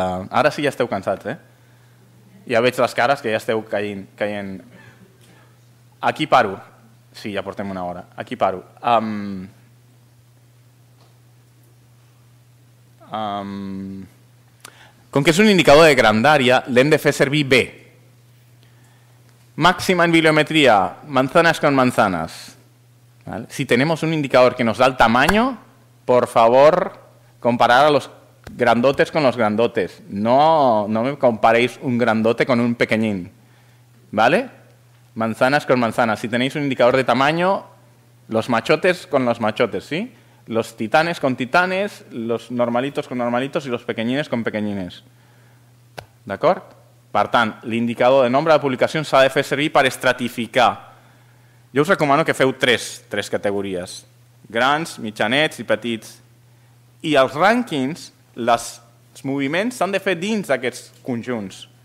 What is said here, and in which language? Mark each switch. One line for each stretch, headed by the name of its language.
Catalan: Ara sí ja esteu cansats, eh? Ja veig les cares que ja esteu caient. Aquí paro. Sí, ja portem una hora. Aquí paro. Com que és un indicador de grandària, l'hem de fer servir bé. Màxima en bibliometria,
Spanish: manzanas con manzanas. ¿Vale? Si tenemos un indicador que nos da el tamaño, por favor, comparar a los grandotes con los grandotes. No me comparéis un grandote con un pequeñín. ¿Vale? Manzanas con manzanas. Si tenéis un indicador de tamaño, los machotes con los machotes, ¿sí? Los titanes con titanes, los normalitos con normalitos y los pequeñines con pequeñines.
Catalan: ¿D'acord? Per tant, l'indicador de nombre de publicació s'ha de fer servir per estratificar. Jo us recomano que feu tres categories. Grans, mitjanets i petits. I els rànquings, els moviments s'han de fer dins d'aquests conjunts.